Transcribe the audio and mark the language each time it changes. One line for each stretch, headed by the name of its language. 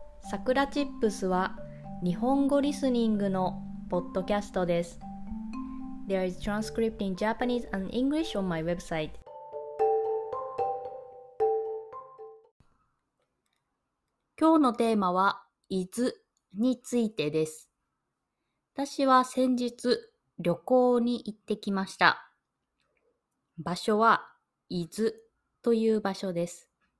Japanese: さくらチップスは日本語リスニングのポッドキャストです。
English: There is transcript in Japanese and English on my website。
Japanese: 今日のテーマは is についてです。私は先日旅行に行ってきました。場所は伊豆という場所です。